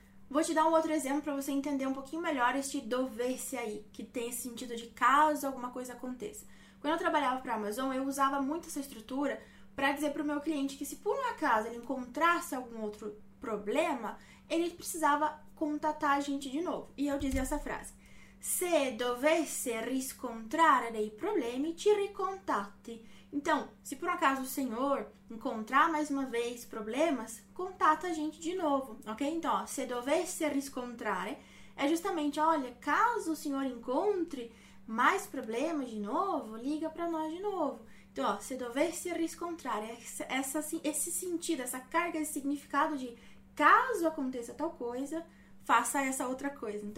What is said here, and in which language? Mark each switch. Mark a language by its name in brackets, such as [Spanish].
[Portuguese] Vou te dar um outro exemplo para você entender um pouquinho melhor este dovesse aí, que tem esse sentido de caso alguma coisa aconteça. Quando eu trabalhava para a Amazon, eu usava muito essa estrutura para dizer para o meu cliente que se por um acaso ele encontrasse algum outro problema, ele precisava contatar a gente de novo. E eu dizia essa frase: [Italian] se dovesse riscontrare dei problemi, ci ricontatti. [Portuguese] Então, se por um acaso o senhor encontrar mais uma vez problemas, contata a gente de novo, ok? Então, ó, [Italian] se dovesse riscontrare, [Portuguese] é justamente, olha, caso o senhor encontre mais problemas de novo, liga para nós de novo. Então, ó, [Italian] se dovesse riscontrare, [Portuguese] esse sentido, essa carga de significado de caso aconteça tal coisa, faça essa outra coisa.